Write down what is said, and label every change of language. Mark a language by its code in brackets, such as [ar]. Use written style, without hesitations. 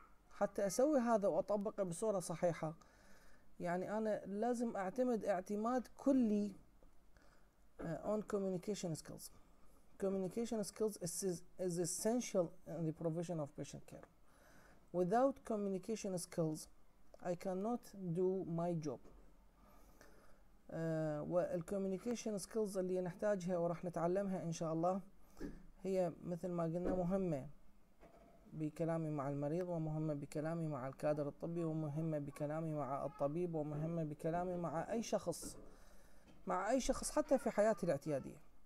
[ar] حتى أسوي هذا وأطبقه بصورة صحيحة، يعني أنا لازم أعتمد اعتماد كلي [en] on communication skills. Communication skills is essential in the provision of patient care. Without communication skills, I cannot do my job. [ar] والcommunication skills اللي نحتاجها وراح نتعلمها إن شاء الله هي مثل ما قلنا مهمة بكلامي مع المريض، ومهمة بكلامي مع الكادر الطبي، ومهمة بكلامي مع الطبيب، ومهمة بكلامي مع أي شخص، مع أي شخص حتى في حياتي الاعتيادية.